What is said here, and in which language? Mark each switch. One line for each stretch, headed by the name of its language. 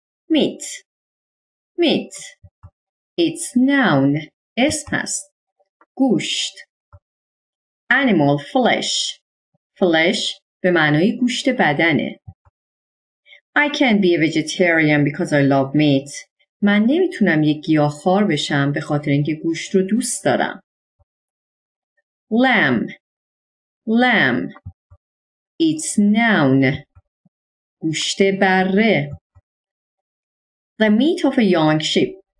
Persian: میت، میت.
English: It's noun.
Persian: اسم هست. گوشت.
English: Animal flesh.
Persian: Flesh به معنای گوشت بدنه.
English: I can't be a vegetarian because I love meat.
Persian: من نمیتونم یک گیاهخوار بشم به خاطر اینکه گوشت رو دوست دارم.
English: Lamb. Lamb. It's noun.
Persian: گوشت بره.
English: The meat of a young sheep.